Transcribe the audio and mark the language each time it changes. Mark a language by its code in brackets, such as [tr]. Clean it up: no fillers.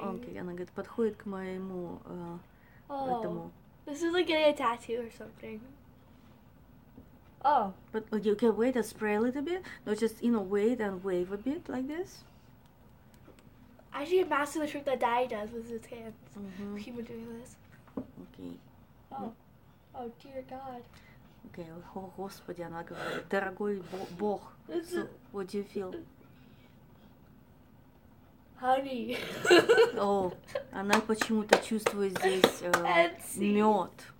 [ru] Okay, она говорит, подходит к моему этому. [en] This is like getting a tattoo or something. Oh. But you can wait and spray a little bit. No, just, you know, wait and wave a bit like this. Actually, it matches the trick that Daddy does with his hands. Mm-hmm. People doing this. Okay. Oh. Oh, dear God. [ru] Okay, oh, Господи, она говорит, дорогой Бог. [en] So, what do you feel? Honey. [ru] Oh, она почему-то чувствует здесь мёд.